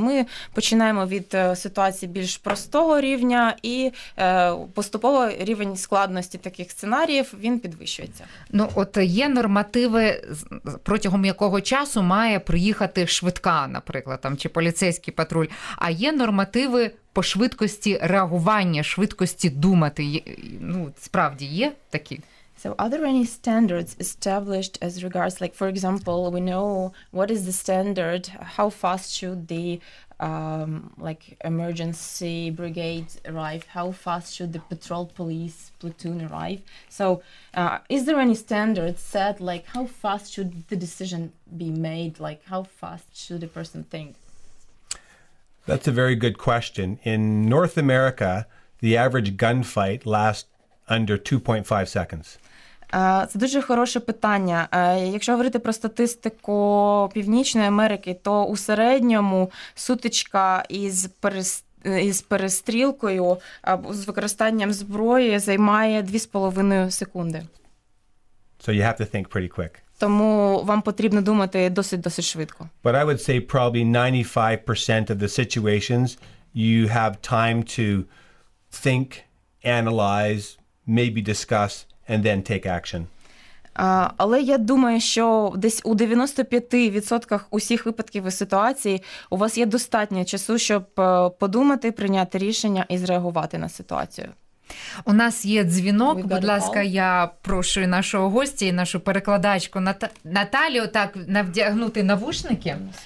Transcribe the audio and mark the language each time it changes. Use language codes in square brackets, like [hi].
[uk] Ми починаємо від ситуації більш простого рівня і поступово рівень складності таких сценаріїв, він підвищується. Ну от є нормативи, протягом якого часу має приїхати швидка, наприклад, там чи поліцейський патруль, а є нормативи по швидкості реагування, швидкості думати. Ну, справді є такі. [en] So are there any standards established as regards, like, for example, we know what is the standard, how fast should the like emergency brigade arrive, how fast should the patrol police platoon arrive? So is there any standard set, like, how fast should the decision be made, like, how fast should a person think? That's a very good question. In North America, the average gunfight lasts under 2.5 seconds. [uk] Це дуже хороше питання. Якщо говорити про статистику Північної Америки, то у середньому сутичка із перестрілкою або з використанням зброї займає 2,5 секунди. [en] So you have to think pretty quick. [uk] Тому вам потрібно думати досить швидко. [en] But I would say probably 95% of the situations you have time to think, analyze, maybe discuss, and then take action. [uk] Але я думаю, що десь у 95% усіх випадків і ситуацій у вас є достатньо часу, щоб подумати, прийняти рішення і зреагувати на ситуацію. У нас є дзвінок. Будь ласка, я прошу і нашого гостя, і нашу перекладачку Наталію так вдягнути навушники.